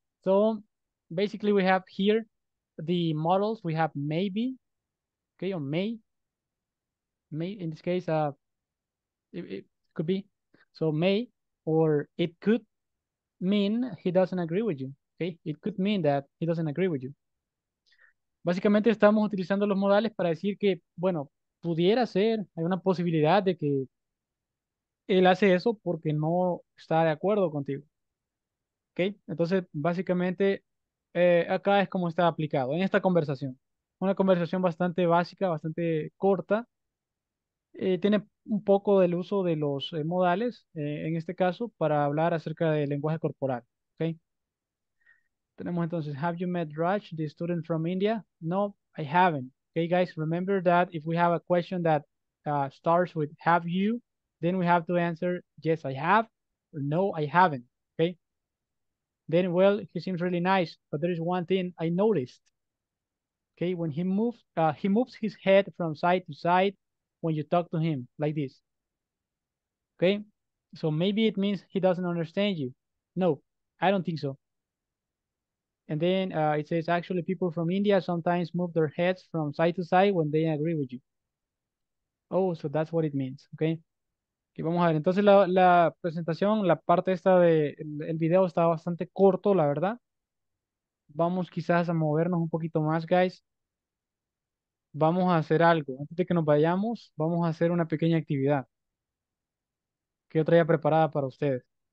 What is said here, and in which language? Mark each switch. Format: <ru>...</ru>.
<en>So basically we have here the models. We have maybe, okay, or may. May, in this case, it could be. So may, or it could mean he doesn't agree with you, okay? It could mean that he doesn't agree with you.</en> <es>Básicamente estamos utilizando los modales para decir que, bueno, pudiera ser, hay una posibilidad de que él hace eso porque no está de acuerdo contigo. Okay. Entonces, básicamente, acá es como está aplicado, en esta conversación. Una conversación bastante básica, bastante corta. Tiene un poco del uso de los modales, en este caso, para hablar acerca del lenguaje corporal.</es> <en>Okay.</en> <es>Tenemos entonces,</es> <en>have you met Raj, the student from India? No, I haven't. Okay, guys, remember that if we have a question that starts with have you, then we have to answer, yes, I have, or no, I haven't. Then, well, he seems really nice, but there is one thing I noticed. Okay, when he moves his head from side to side when you talk to him, like this. Okay, so maybe it means he doesn't understand you. No, I don't think so. And then it says, actually, people from India sometimes move their heads from side to side when they agree with you. Oh, so that's what it means, okay?</en> <es>Okay, vamos a ver, entonces la presentación, la parte esta del video está bastante corto, la verdad. Vamos quizás a movernos un poquito más, guys. Vamos a hacer algo. Antes de que nos vayamos, vamos a hacer una pequeña actividad que yo traía preparada para ustedes.</es>